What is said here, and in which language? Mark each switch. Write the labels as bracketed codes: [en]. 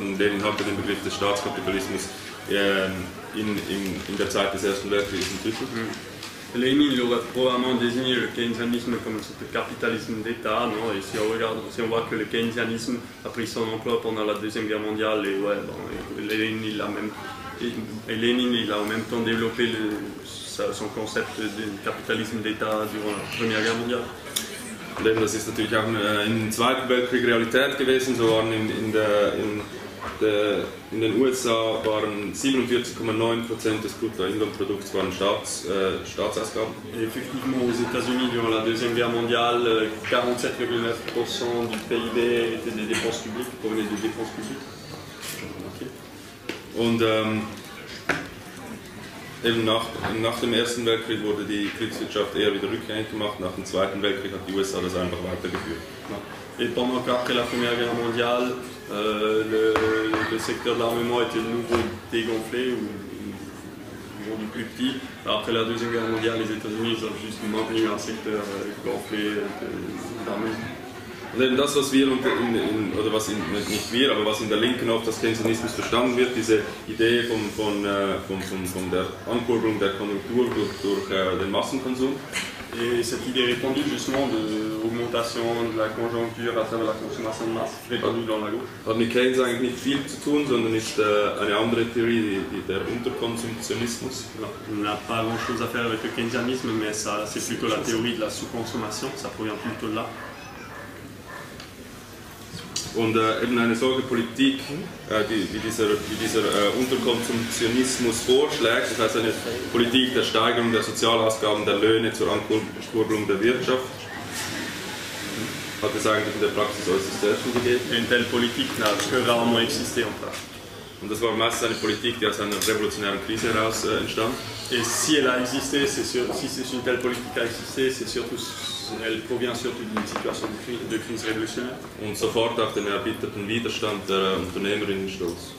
[de] Und Lenin hatte den Begriff des Staatskapitalismus in der Zeit des Ersten Weltkriegs entwickelt. [fr] Lenin aurait probablement désigné le keynesianisme comme ce capitalisme d'État, non? Et si on voit que le keynesianisme a pris son emploi pendant la Deuxième Guerre mondiale, et ouais, bon, Lenin il l'a même. Et Lénine, il a en même temps développé son concept du capitalisme d'État durant la Première Guerre mondiale. [de] Lénine, das ist natürlich auch im Zweiten Weltkrieg Realität gewesen. So waren in den USA waren 47,9% des Bruttoinlandprodukts waren Staatsausgaben. [fr] Et effectivement, aux États-Unis durant la Deuxième Guerre mondiale, 47,9% du PIB étaient des dépenses publiques, provenaient des dépenses publiques. [de] Und eben nach dem Ersten Weltkrieg wurde die Kriegswirtschaft eher wieder rückgängig gemacht. Nach dem Zweiten Weltkrieg hat die USA das einfach weitergeführt. [fr] Et pendant qu'après la Première Guerre mondiale, le secteur de l'armement était de nouveau dégonflé ou toujours du plus petit. Après la Deuxième Guerre mondiale, les États-Unis ils ont juste maintenu un secteur gonflé d'armée. [de] Und eben das, was wir, oder was in, nicht wir, aber was in der Linken oft als Keynesianismus verstanden wird, diese Idee von der Ankurbelung der Konjunktur durch den Massenkonsum. [fr] Et cette idée répandue justement de l'augmentation de la conjoncture à travers la consommation de masse répandue dans la gauche. [de] Hat mit Keynes eigentlich nicht viel zu tun, sondern ist eine andere Theorie, der Unterkonsumtionismus. [fr] On n'a pas grand chose à faire avec le keynesianisme, mais ça, c'est plutôt la théorie de la sous-consommation, ça provient plutôt de là. [de] Und eben eine solche Politik, die dieser Unterkonsumtionismus vorschlägt, das heißt eine Politik der Steigerung der Sozialausgaben der Löhne zur Ankurbelung der Wirtschaft, hat es eigentlich in der Praxis äußerst selten gegeben. Eine Politik, die kaum existiert in Praxis. Und das war meistens eine Politik, die aus einer revolutionären Krise heraus entstand. [fr] Et si elle a existé, c'est une telle politique a existé, c'est surtout, elle provient surtout d'une situation de crise révolutionnaire. [de] Und sofort auf den erbitterten Widerstand der Unternehmerinnen stoß.